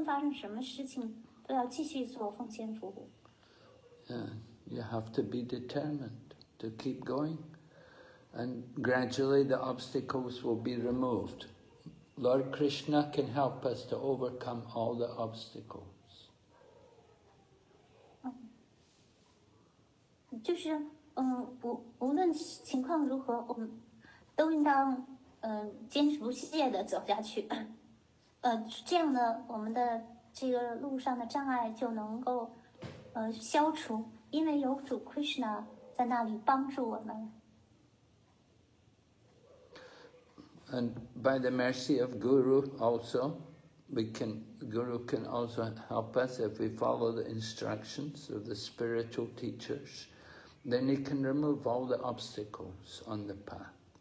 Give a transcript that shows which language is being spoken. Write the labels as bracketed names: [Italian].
[Chinese] 就一切事情当中呢都会有障碍，这个应该是在我们的预料之内的。但是呢，我们应当下定决心，无论发生什么事情，都要继续做奉献服务。 [English] You have to be determined to keep going, and gradually the obstacles will be removed. Lord Krishna can help us to overcome all the obstacles. [Chinese] 就是，无论情况如何，我们都应当坚持不懈的走下去。这样呢，我们的这个路上的障碍就能够消除，因为有主 Krishna 在那里帮助我们。 [English] And by the mercy of Guru also, Guru can also help us if we follow the instructions of the spiritual teachers. Then he can remove all the obstacles on the path.